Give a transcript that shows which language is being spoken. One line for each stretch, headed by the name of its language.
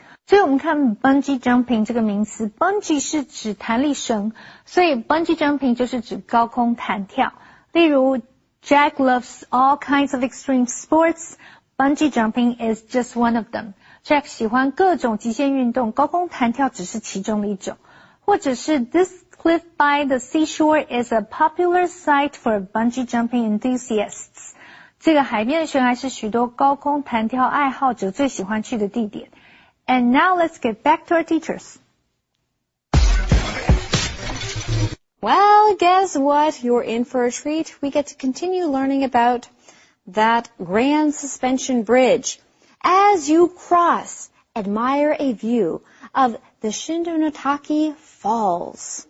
Chinese: 所以我们看 bungee jumping 这个名词， bungee 是指弹力绳， 所以 bungee jumping 就是指高空弹跳。 例如
English: Jack loves all kinds of extreme sports， Bungee jumping is just one of them.
Chinese: Jack 喜欢各种极限运动，高空弹跳只是其中的一种。或者是
English: This cliff by the seashore is a popular site for bungee jumping enthusiasts.
Chinese: 这个海边悬崖是许多高空弹跳爱好者最喜欢去的地点。
English: And now let's get back to our teachers. Well, guess what? You're in for a treat. We get to continue learning about that grand suspension bridge. As you cross, admire a view of the Shindonotaki Falls.